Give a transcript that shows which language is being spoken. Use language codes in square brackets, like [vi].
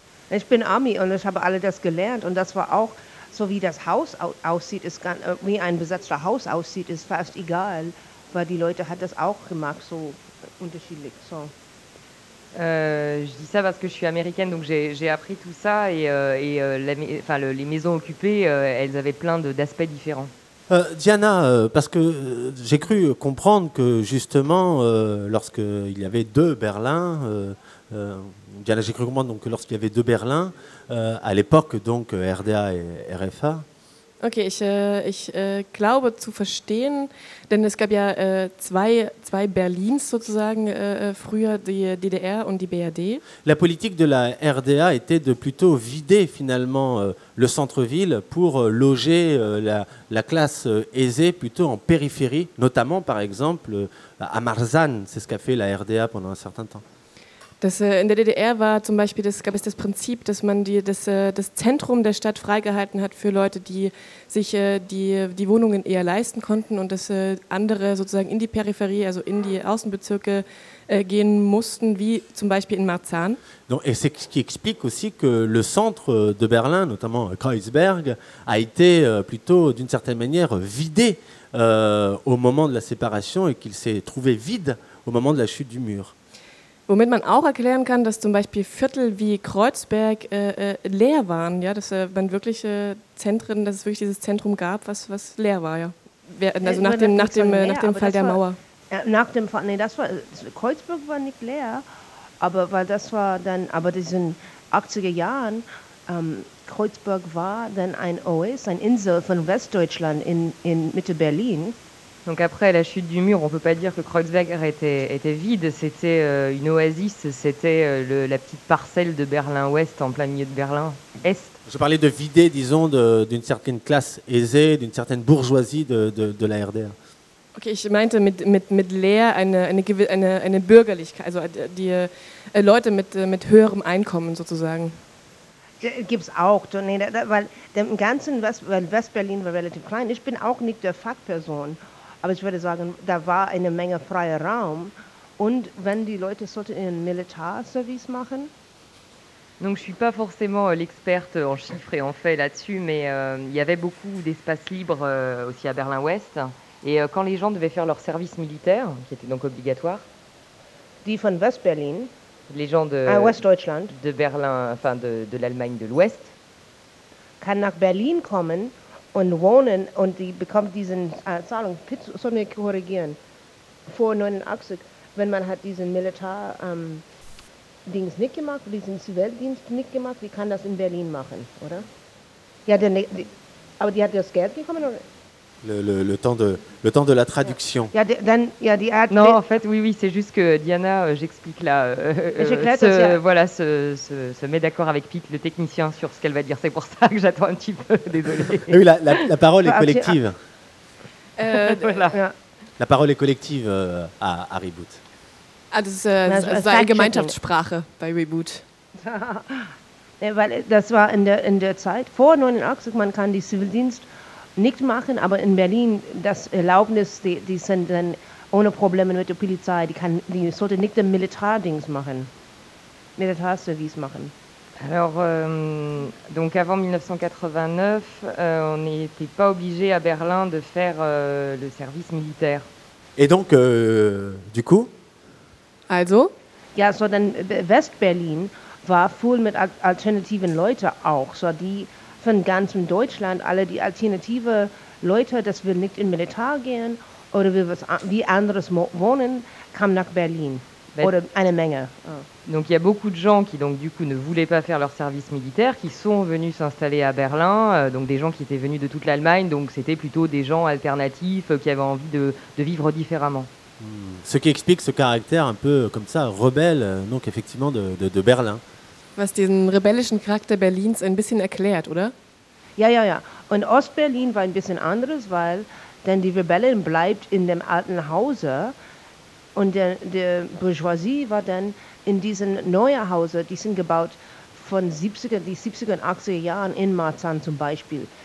[de] Ich bin Ami und ich habe alle das gelernt und das war auch. So wie das Haus aussieht, ist ganz, wie ein besetzter Haus aussieht, ist fast egal, weil die Leute hat das auch gemacht, so unterschiedlich. So. [fr] Je dis ça parce que je suis américaine, donc j'ai appris tout ça les maisons occupées, elles avaient plein d'aspects différents. Diana, parce que j'ai cru comprendre que justement, lorsqu'il y avait deux Berlins, Diana, j'ai cru comprendre donc lorsqu'il y avait deux Berlins à l'époque donc RDA et RFA. [de] Ok, ich glaube zu verstehen, denn es gab ja zwei Berlins sozusagen früher, die DDR und die BRD. [fr] La politique de la RDA était de plutôt vider finalement le centre-ville pour loger la classe aisée plutôt en périphérie, notamment par exemple à Marzahn, c'est ce qu'a fait la RDA pendant un certain temps. [de] Das, in der DDR war zum Beispiel, das gab es das Prinzip, dass man das Zentrum der Stadt freigehalten hat für Leute, die sich die Wohnungen eher leisten konnten und dass andere sozusagen in die Peripherie, also in die Außenbezirke gehen mussten, wie zum Beispiel in Marzahn. [fr] Donc, et c'est ce qui explique aussi que le centre de Berlin, notamment Kreuzberg, a été plutôt d'une certaine manière vidé au moment de la séparation et qu'il s'est trouvé vide au moment de la chute du mur. [de] Womit man auch erklären kann, dass zum Beispiel Viertel wie Kreuzberg leer waren, ja, dass man wirklich Zentren, dass es wirklich dieses Zentrum gab, was leer war, ja. Also nach dem Fall der Mauer. Nach dem Fall, nee, das war Kreuzberg war nicht leer, aber weil das war dann, aber diesen 80er Jahren Kreuzberg war dann ein Oase, eine Insel von Westdeutschland in Mitte Berlin. [fr] Donc après la chute du mur, on ne peut pas dire que Kreuzberg était vide, c'était une oasis, c'était la petite parcelle de Berlin-Ouest, en plein milieu de Berlin-Est. Je parlais de vider, disons, d'une certaine classe aisée, d'une certaine bourgeoisie de la RDR. [de] Ok, ich meinte mit leer eine Bürgerlichkeit, also die Leute mit höherem Einkommen sozusagen. Gibt's auch, nee, weil im ganzen West-Berlin war relativ klein, ich bin auch nicht der Fachperson. Aber ich würde sagen, da war eine Menge freier Raum. Und wenn die Leute sollten ihren Militärservice machen? [fr] Donc je ne suis pas forcément l'experte en chiffres et en faits là-dessus, mais il y avait beaucoup d'espaces libres aussi à Berlin-Ouest. Et quand les gens devaient faire leur service militaire, qui était donc obligatoire, [de] die von West-Berlin, [fr] les gens de [de] West-Deutschland, [fr] de Berlin, enfin de l'Allemagne de l'Ouest, [de] kann nach Berlin kommen und wohnen und die bekommt diesen Zahlung. Bitte, soll mir korrigieren. Vor 89, wenn man hat diesen Militär Dings nicht gemacht, diesen Zivildienst nicht gemacht, wie kann das in Berlin machen, oder? Ja, aber die hat das Geld bekommen, oder? [fr] Le temps de la traduction. Non, en fait, oui, c'est juste que Diana, j'explique là. Se met d'accord avec Pete, le technicien, sur ce qu'elle va dire. C'est pour ça que j'attends un petit peu. Désolée. Oui, la parole est collective. La parole est collective à Reboot. [de] Ah, das ist seine Gemeinschaftssprache bei Reboot. Weil das war in der Zeit vor 89, man kann die Zivildienst nicht machen, aber in Berlin das Erlaubnis, die sind dann ohne Probleme mit der Polizei, die sollte nicht den Militärdienst machen, Militärservice machen. [fr] Alors, donc avant 1989, on n'était pas obligé à Berlin de faire le service militaire. Et donc, du coup? [de] Also? Ja, so dann West-Berlin war voll mit alternativen Leuten auch, so die von ganzem Deutschland, alle die alternative Leute, dass wir nicht im Militär gehen oder wie anderes wohnen, kam nach Berlin. Oder eine Menge. [fr] Donc il y a beaucoup de gens qui donc du coup ne voulaient pas faire leur service militaire, qui sont venus s'installer à Berlin, donc des gens qui étaient venus de toute l'Allemagne, donc c'était plutôt des gens alternatifs qui avaient envie de vivre différemment. Ce qui explique ce caractère un peu comme ça, rebelle, donc effectivement de Berlin. [de] Was diesen rebellischen Charakter Berlins ein bisschen erklärt, oder? Ja. Und Ost-Berlin war ein bisschen anderes, weil denn die Rebellen bleibt in dem alten Hause und der Bourgeoisie war dann in diesem neuen Hause, die sind gebaut von die 70er und 80er Jahren in Marzahn zum Beispiel.